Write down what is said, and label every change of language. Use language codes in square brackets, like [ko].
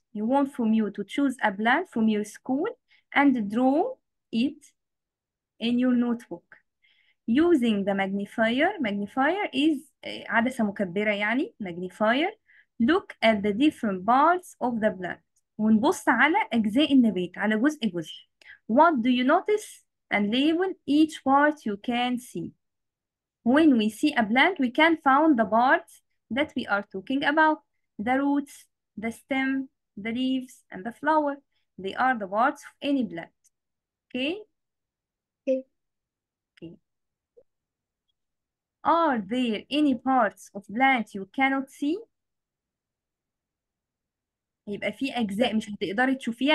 [en] You want from you to choose a plant from your school and draw it in your notebook. Using the magnifier is [ar] عدسة مكبرة يعني, [en] magnifier. Look at the different parts of the plant. [ar] ونبص على أجزاء النبات, على جزء جزء. [en] What do you notice? And label each part you can see. When we see a plant, we can find the parts that we are talking about. The roots, the stem, the leaves, and the flower. They are the parts of any plant. Okay? Are there any parts of plant you cannot see? [ar] يبقى في أجزاء مش هتقدري تشوفيها.